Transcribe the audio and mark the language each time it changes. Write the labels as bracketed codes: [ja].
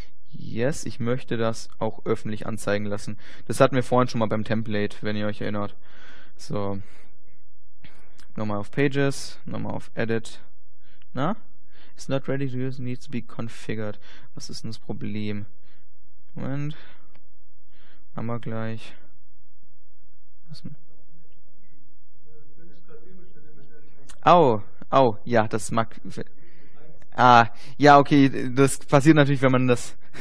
[de] Yes, ich möchte das auch öffentlich anzeigen lassen. Das hatten wir vorhin schon mal beim Template, wenn ihr euch erinnert. So. Nochmal auf Pages, nochmal auf Edit. Na? [en] It's not ready to use, needs to be configured. [de] Was ist denn das Problem? Moment. Haben wir gleich. Ja, das mag. Ja, okay, das passiert natürlich, wenn man das.